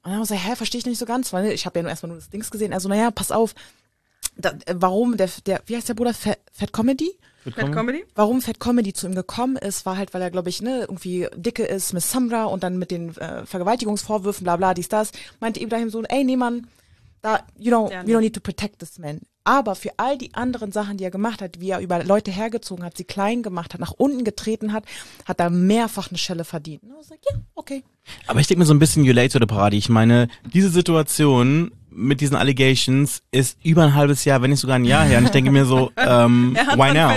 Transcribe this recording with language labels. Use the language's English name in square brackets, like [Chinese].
[German] Und dann so, hä, verstehe ich nicht so ganz, weil ich habe ja nur erstmal nur das Dings gesehen. Also, naja, pass auf. Wie heißt der Bruder? Fat Comedy? Fat Comedy? Warum Fat Comedy zu ihm gekommen ist, war halt, weil er, glaube ich, ne, irgendwie dicke ist, Miss Samra und dann mit den Vergewaltigungsvorwürfen, bla bla, dies, das. Meinte Ibrahim so, ey, nee, Mann, da, [English] you know, we don't need to protect this man. [German] Aber für all die anderen Sachen, die er gemacht hat, wie er über Leute hergezogen hat, sie klein gemacht hat, nach unten getreten hat, hat er mehrfach eine Schelle verdient. Und ich sag, ja, okay. Aber ich denke mir so ein bisschen, [English] you late to the party. [German] Ich meine, diese Situation mit diesen Allegations ist über ein halbes Jahr, wenn nicht sogar ein Jahr her. Und ich denke mir so, [English] why now?